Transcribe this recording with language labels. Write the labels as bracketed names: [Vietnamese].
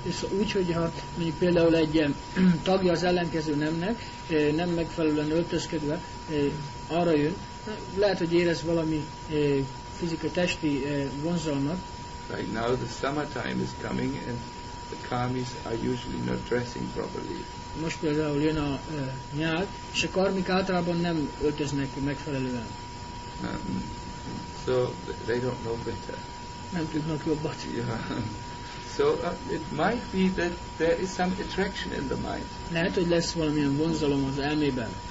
[Hungarian] Úgy, hogyha mondjuk például egy tagja az ellenkező nemnek, nem megfelelően öltözködve, arra jön, lehet, hogy érez valami fizikai testi vonzalmat. [English] Right now the summer time is coming and the karmis are usually not dressing properly. [Hungarian] Most például jön a nyár, és a karmik általában nem öltöznek megfelelően. [English] So they don't know better. [Hungarian] Nem tudnak jobbat. Yeah. [English] So it might be that there is some attraction in the mind. [Hungarian] Lehet, hogy lesz valamilyen vonzalom az elmében.